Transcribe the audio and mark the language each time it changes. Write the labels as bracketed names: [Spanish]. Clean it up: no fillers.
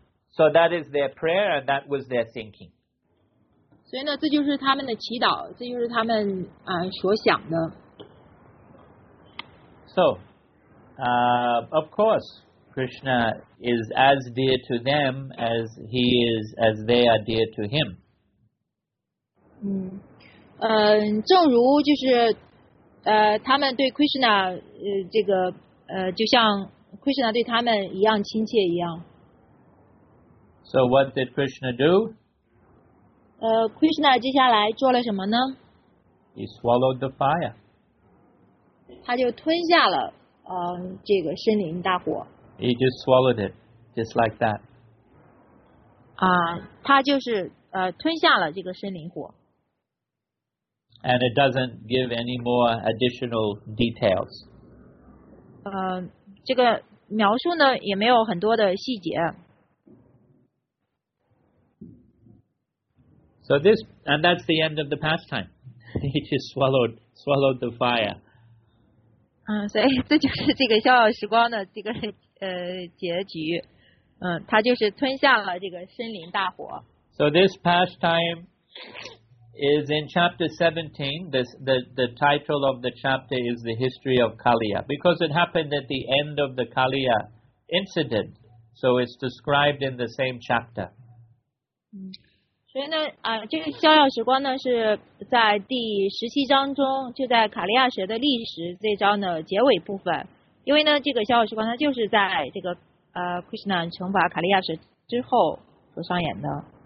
[English] So that is their prayer, and that was their thinking. [Chinese] 所以呢，这就是他们的祈祷，这就是他们所想的。 [English] So. Of course, Krishna is as dear to them as they are dear to him. [Chinese] 正如就是他们对 Krishna 这个就像 Krishna 对他们一样亲切一样。 [English] So what did Krishna do? [Chinese] Krishna 接下来做了什么呢？ [English] He swallowed the fire. [Chinese] 他就吞下了这个森林大火。 [English] He just swallowed it, just like that. [Chinese] 他就是吞下了这个森林火。 [English] And it doesn't give any more additional details. [Chinese] 这个描述呢也没有很多的细节。 [English] So this, and that's the end of the pastime. He just swallowed the fire. [Chinese] 所以这就是这个逍遥时光的这个结局。他就是吞下了这个森林大火。 [English] So this pastime is in chapter 17. The title of the chapter is The History of Kaliya. Because it happened at the end of the Kaliya incident. So it's described in the same chapter. [Chinese] 所以呢，这个逍遥时光呢是在第十七章中，就在卡利亚学的历史这章的结尾部分。因为呢，这个逍遥时光它就是在这个Krishna 惩罚卡利亚学之后所上演的。